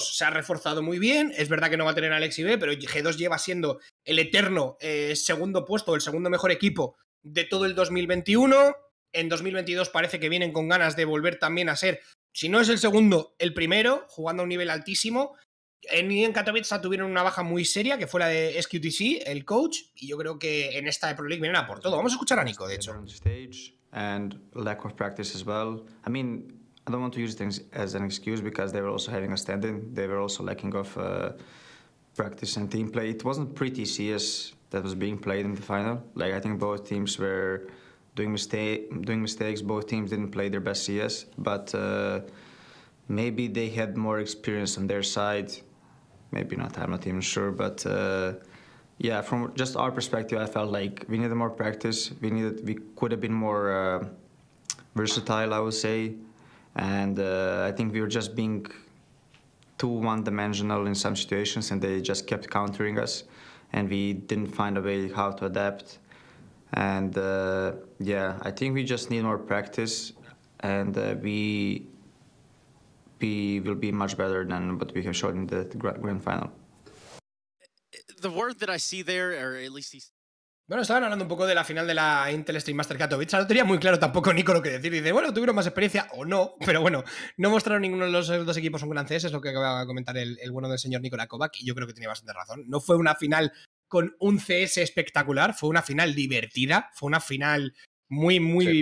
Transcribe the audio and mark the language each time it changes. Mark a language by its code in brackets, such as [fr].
[es] Se ha reforzado muy bien. Es verdad que no va a tener a Alexi B, pero G2 lleva siendo el eterno segundo puesto, el segundo mejor equipo de todo el 2021. En 2022 parece que vienen con ganas de volver también a ser, si no es el segundo, el primero, jugando a un nivel altísimo. En Katowice tuvieron una baja muy seria, que fue la de SQTC, el coach, y yo creo que en esta de Pro League vienen a por todo. Vamos a escuchar a Nico, de hecho. [en] And lack of practice as well. I mean, I don't want to use things as an excuse because they were also having a standing. They were also lacking of practice and team play. It wasn't pretty CS that was being played in the final. Like, I think both teams were doing mistakes. Both teams didn't play their best CS, but maybe they had more experience on their side. Maybe not, I'm not even sure. But yeah, from just our perspective, I felt like we needed more practice. We could have been more versatile, I would say. And I think we were just being too one-dimensional in some situations, and they just kept countering us, and we didn't find a way how to adapt. And yeah, I think we just need more practice, and we will be much better than what we have shown in the grand final. The word that I see there, or at least he's... [es] Bueno, estaban hablando un poco de la final de la Intel Extreme Master Katowice. No tenía muy claro tampoco Nico lo que decir. Dice, bueno, tuvieron más experiencia o no, pero bueno, no mostraron ninguno de los dos equipos un gran CS, es lo que acaba de comentar el bueno del señor Nikola Kovac, y yo creo que tenía bastante razón. No fue una final con un CS espectacular, fue una final divertida, fue una final muy, muy, sí.